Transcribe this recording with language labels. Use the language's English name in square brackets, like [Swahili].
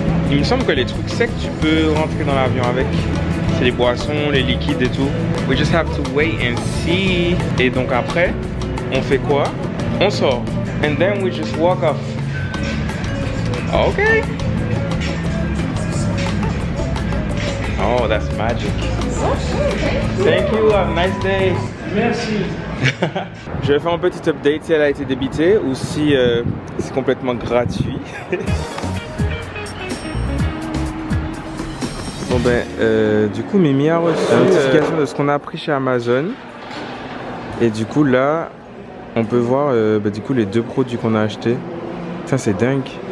[French] Il me semble que les trucs secs tu peux rentrer dans l'avion avec. C'est les boissons, les liquides et tout. [English] We just have to wait and see. [French] Et donc après, on fait quoi? On sort. [English] And then we just walk off. [French] Ok. [English] Oh, that's magic. Thank you, have a nice day. [French] Merci. Je vais faire un petit update si elle a été débitée ou si c'est complètement gratuit. Bon ben, du coup, Mimi a reçu une notification de ce qu'on a appris chez Amazon. Et du coup, là, on peut voir du coup, les deux produits qu'on a achetés. Ça, c'est dingue.